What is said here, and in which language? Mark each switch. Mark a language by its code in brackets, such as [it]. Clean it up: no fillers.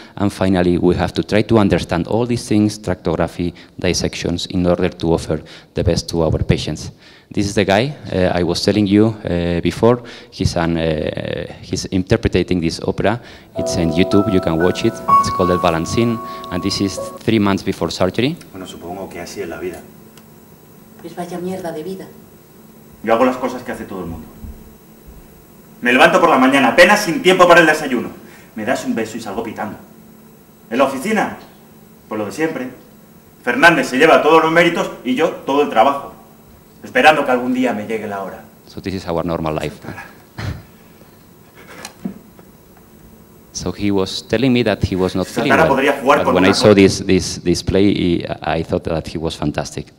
[en] And finally, we have to try to understand all these things, tractography, dissections, in order to offer the best to our patients. This is the guy I was telling you before. He's interpreting this opera. It's on YouTube, you can watch it. It's called El Balancín, and this is 3 months before surgery. [es] Bueno, supongo que así es la vida. Pues vaya mierda de vida. Yo hago las cosas que hace todo el mundo. Me levanto por la mañana, apenas sin tiempo para el desayuno. Me das un beso y salgo pitando. ¿En la oficina? Pues lo de siempre. Fernández se lleva todos los méritos y yo todo el trabajo. Esperando que algún día me llegue la hora. [en] So this is our normal life. So he was telling me that he was not feeling well. But when I saw this play, I thought that he was fantastic.